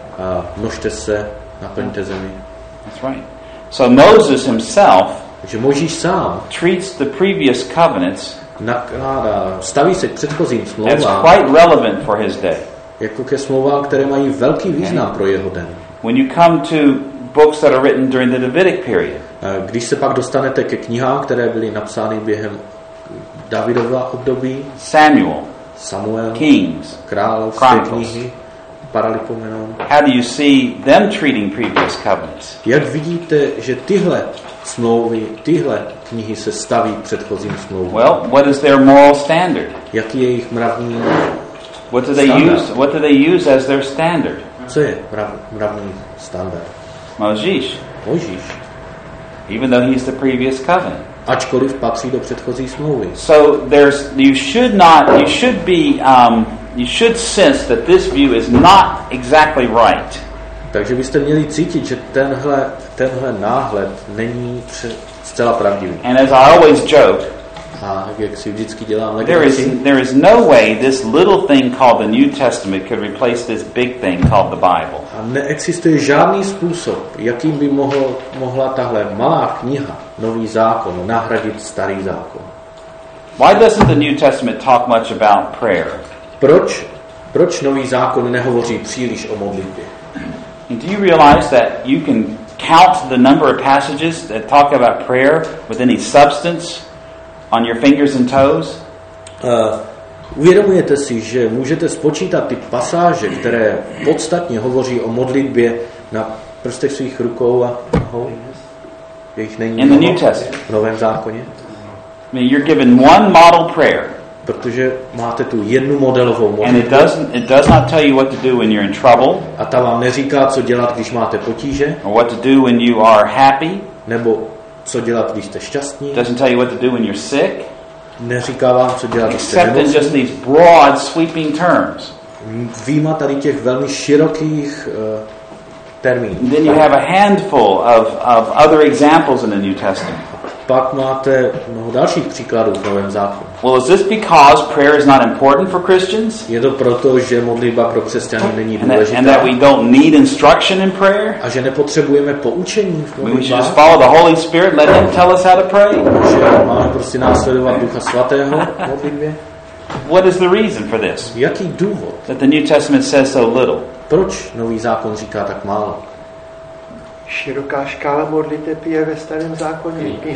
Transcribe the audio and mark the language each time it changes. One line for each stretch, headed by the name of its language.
Czech: A množte se, naplňte zemi.
English: That's right. So Moses himself,
Czech: že Mojžíš sám,
English: treats the previous covenants,
Czech: nakládá, staví se k předchozím smlouvám,
English: that's quite relevant for his day.
Czech: Jako ke smlouvám, které mají velký význam pro jeho den.
English: When you come to books that are written during the Davidic period,
Czech: když se pak dostanete ke knihám, které byly napsány během Davidova období,
English: Samuel,
Czech: Samuel,
English: Kings,
Czech: Královské knihy, Paralipomenon.
English: How do you see them treating previous covenants?
Czech: Jak vidíte, že tyhle smlouvy, tyhle knihy se staví předchozím smlouvám?
English: Well, what is their moral standard?
Czech: Jaký je jejich mravní
English: What do they use? What do they use as their standard?
Czech: Co je mravní standard? Mojžíš. Mojžíš.
English: Even though he's the previous covenant.
Czech: Ačkoliv patří do předchozí smlouvy.
English: So there's, you should not, you should be, you should sense that this view is not exactly right.
Czech: Takže byste měli cítit, že tenhle náhled není zcela pravdivý.
English: And as I always joke. There is no way this little thing called the New Testament could replace this big thing called the Bible.
Czech: A neexistuje žádný způsob, jakým by mohla tahle malá kniha, Nový zákon, nahradit Starý zákon.
English: Why doesn't the New Testament talk much about prayer?
Czech: Proč Nový zákon nehovoří příliš o modlitbě?
English: And do you realize that you can count the number of passages that talk about prayer with any substance? On your fingers and toes.
Czech: Uvědomujete si, že můžete spočítat ty pasáže, které podstatně hovoří o modlitbě na prstech svých rukou a nohou? Jejich není
English: in the New Testament.
Czech: V Novém zákoně.
English: I mean, you're given one model prayer.
Czech: Protože máte tu jednu modelovou modlitbu.
English: And it does not tell you what to do when you're in trouble.
Czech: A ta vám neříká, co dělat, když máte potíže.
English: Or what to do when you are happy.
Czech: Nebo co dělat, když jste šťastní?
English: Doesn't tell you what to do when you're sick.
Czech: Neříká vám, co dělat, když jste nemocný.
English: Except in just these broad sweeping terms.
Czech: Víma tady těch velmi širokých termínů.
English: Then you have a handful of other examples in the New Testament.
Czech: Pak máte mnoho dalších příkladů v Novém zákonu.
English: Well, is this because prayer is not important for Christians?
Czech: Je to proto, že modlitba pro křesťany není důležitá?
English: And that we don't need instruction in prayer?
Czech: A že nepotřebujeme poučení v modlitbě?
English: We should just follow the Holy Spirit, let him tell us how to pray?
Czech: Že máme prostě následovat Ducha Svatého v modlitbě?
English: What is the reason for this?
Czech: Jaký důvod?
English: That the New Testament says so little.
Czech: Proč Nový zákon říká tak málo? Široká škála modlitby je ve Starém zákoně.